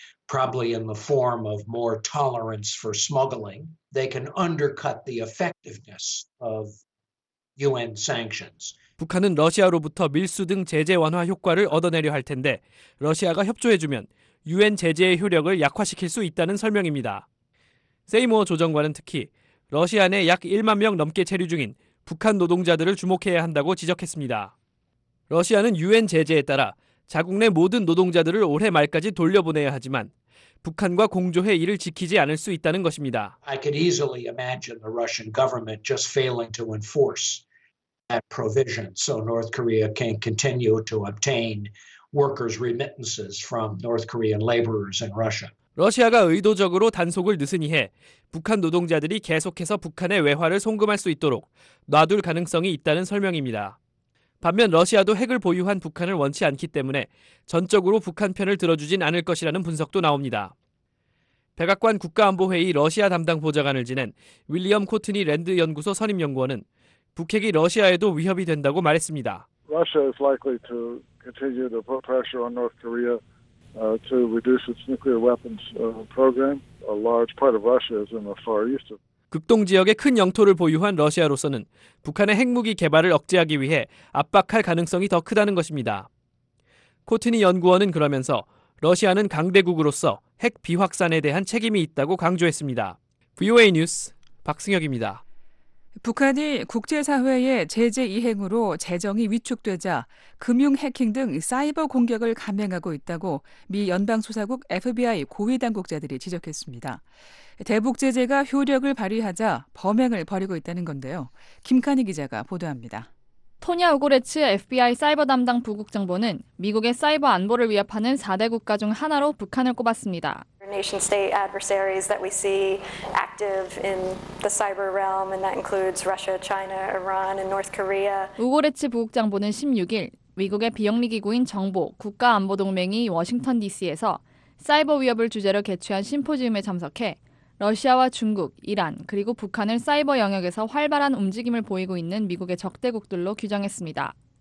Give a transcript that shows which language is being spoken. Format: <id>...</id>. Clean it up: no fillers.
<en>Probably in the form of more tolerance for smuggling, they can undercut the effectiveness of UN sanctions.</en> <ko>북한은 러시아로부터 밀수 등 제재 완화 효과를 얻어내려 할 텐데 러시아가 협조해주면 UN 제재의 효력을 약화시킬 수 있다는 설명입니다. 세이모어 조정관은 특히 러시아 내 약 1만 명 넘게 체류 중인 북한 노동자들을 주목해야 한다고 지적했습니다. 러시아는 UN 제재에 따라 자국 내 모든 노동자들을 올해 말까지 돌려보내야 하지만 북한과 공조해 이를 지키지 않을 수 있다는 것입니다.</ko> <en>I could easily imagine the Russian government just failing to enforce that provision so North Korea can continue to obtain workers' remittances from North Korean laborers in Russia.</en> <ko>러시아가 의도적으로 단속을 느슨히 해 북한 노동자들이 계속해서 북한의 외화를 송금할 수 있도록 놔둘 가능성이 있다는 설명입니다. 반면 러시아도 핵을 보유한 북한을 원치 않기 때문에 전적으로 북한 편을 들어주진 않을 것이라는 분석도 나옵니다. 백악관 국가안보회의 러시아 담당 보좌관을 지낸 윌리엄 코트니 랜드 연구소 선임 연구원은 북핵이 러시아에도 위협이 된다고 말했습니다.</ko> <en>Russia is likely to continue to put pressure on North Korea to reduce its nuclear weapons program. A large part of Russia is in the far east.</en> <ko>극동 지역의 큰 영토를 보유한 러시아로서는 북한의 핵무기 개발을 억제하기 위해 압박할 가능성이 더 크다는 것입니다. 코트니 연구원은 그러면서 러시아는 강대국으로서 핵 비확산에 대한 책임이 있다고 강조했습니다. VOA 뉴스 박승혁입니다. 북한이 국제사회의 제재 이행으로 재정이 위축되자 금융 해킹 등 사이버 공격을 감행하고 있다고 미 연방수사국 FBI 고위 당국자들이 지적했습니다. 대북 제재가 효력을 발휘하자 범행을 벌이고 있다는 건데요. 김카니 기자가 보도합니다. 토냐 우고레츠 FBI 사이버 담당 부국 정보는 미국의 사이버 안보를 위협하는 4대 국가 중 하나로 북한을 꼽았습니다.</ko> <en>Nation state adversaries that we see active in the cyber realm, and that includes Russia, China, Iran, and North Korea.</en> <ko>우고레츠 부국 정보는 16일 미국의 비영리 기구인 정보 국가 안보 동맹이 워싱턴 DC에서 사이버 위협을 주제로 개최한 심포지엄에 참석해 러시아와 중국, 이란, 그리고 북한을 사이버 영역에서 활발한 움직임을 보이고 있는 미국의 적대국들로 규정했습니다.</ko>